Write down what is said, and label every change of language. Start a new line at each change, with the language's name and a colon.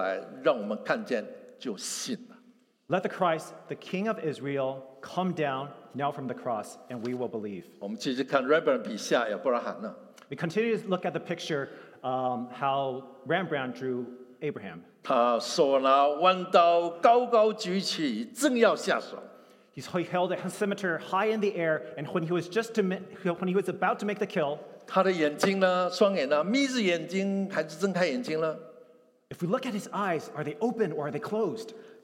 Chinese: 以色列王基督啊，现在可以从十字架上下来，让我们看见就信了。
English: Let the Christ, the King of Israel, come down now from the cross, and we will believe.
Chinese: 我们继续看 Rembrandt 笔下亚伯拉罕呢。
English: We continue to look at the picture how Rembrandt drew Abraham. He held a scimitar high in the air, and when he was about to make the kill,
Chinese: 他的眼睛呢，双眼呢，眯着眼睛还是睁开眼睛呢？
English: If we look at his eyes, are they open or are they closed?